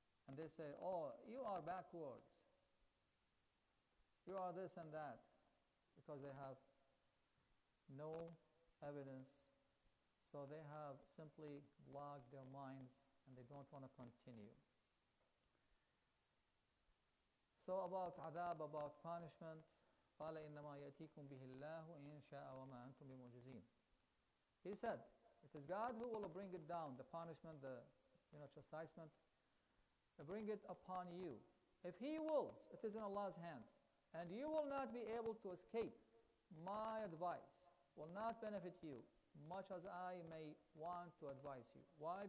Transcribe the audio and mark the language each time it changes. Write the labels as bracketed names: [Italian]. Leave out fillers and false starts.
[English] And they say, oh, you are backwards. You are this and that. Because they have no evidence. So they have simply blocked their minds and they don't want to continue. So about adab, about punishment, [Arabic] قَالَ إِنَّمَا يَأْتِيكُمْ بِهِ اللَّهُ إِنْ شَاءَ وَمَا أَنْتُمْ بِمُعْجِزِينَ. [English] He said, it is God who will bring it down, the punishment, the chastisement. Bring it upon you. If he wills, it is in Allah's hands. And you will not be able to escape. My advice will not benefit you, much as I may want to advise you. Why?